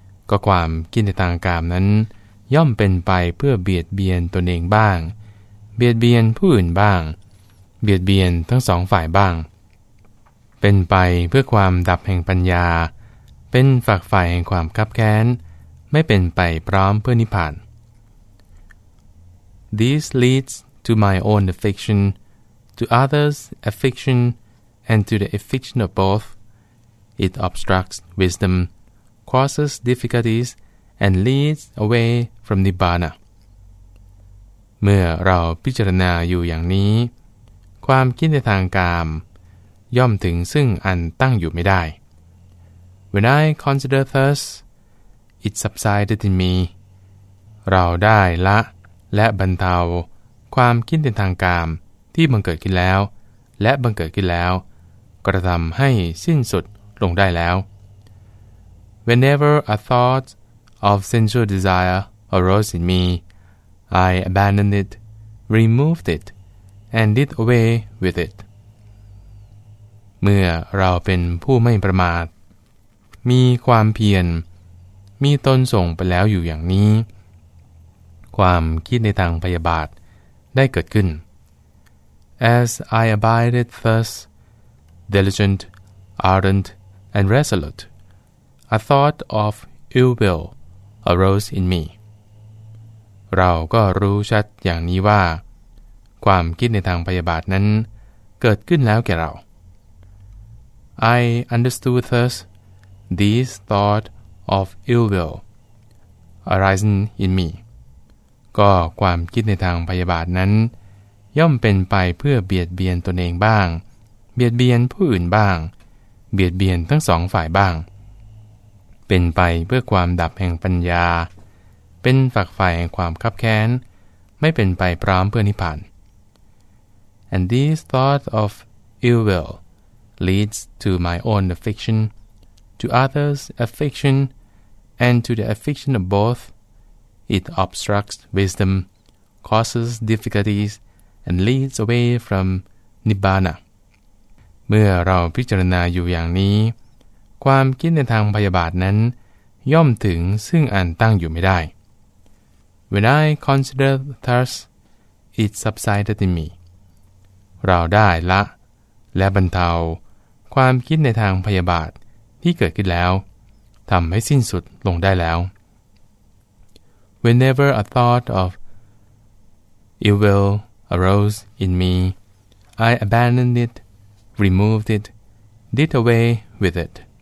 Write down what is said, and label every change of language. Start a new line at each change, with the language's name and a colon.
Thai: ก็ความคิดในทางกามนั้นย่อมเป็นไปเพื่อเบียดเบียนตนเองบ้างเบียดเบียนผู้อื่นบ้างเบียดเบียนทั้งสองฝ่ายบ้างเป็นไปเพื่อความดับแห่งปัญญาเป็นฝักฝ่ายแห่งความคับแค้นไม่เป็นไปพร้อมเพื่อนิพพาน
English: This leads to my own affliction, to others' affliction, and to the affliction of both. It obstructs wisdom, causes difficulties, and leads away from nibbana.
Thai: เมื่อเราพิจารณาอยู่อย่างนี้ความคิดในทางกามย่อมถึงซึ่งอันตั้งอยู่ไม่ได้
English: When I consider thus, it subsided in me. เ
Thai: ราได้ละและบรรเทาความคิดในทางกามที่บังเกิดขึ้นแล้วและบังเกิดขึ้นแล้วกระทำให้สิ้นสุดลงได้แล้ว
English: Whenever a thought of sensual desire arose in meI abandoned it, removed it, and did away with it.
Thai: เมื่อเราเป็นผู้ไม่ประมาทมีความเพียรมีตนส่งไปแล้วอยู่อย่างนี้ความคิดในทางพยาบาทได้เกิดขึ้น
English: As I abided thus, diligent, ardent, and resolute, a thought of ill will arose in me.
Thai: เราก็รู้ชัดอย่างนี้ว่าความคิดในทางพยาบาทนั้นเกิดขึ้นแล้วแก่เรา
English: I understood thus, this thought of ill will arisen in me
Thai: ก็ความคิดในทางพยาบาทนั้นย่อมเป็นไปเพื่อเบียดเบียนตนเองบ้างเบียดเบียนผู้อื่นบ้างเบียดเบียนทั้งสองฝ่ายบ้าง เป็นไปเพื่อความดับแห่งปัญญาเป็นฝักฝ่ายแห่งความคับแค้นไม่เป็นไปพร้อมเพื่อนิพพาน
English: And these thoughts of ill will leads to my own affliction, to others' affliction, and to the affliction of both. It obstructs wisdom, causes difficulties, and leads away from Nibbana.
Thai: เมื่อเราพิจารณาอยู่อย่างนี้ความคิดในทางพยาบาทนั้นย่อมถึงซึ่งอันตั้งอยู่ไม่ได้
English: When I consider thus, it subsided in me.
Thai: เราได้ละและบรรเทาความคิดในทางพยาบาทที่เกิดขึ้นแล้วทำให้สิ้นสุดลงได้แล้ว
English: Whenever a thought of ill will arose in me, I abandoned it, removed it, did away with it.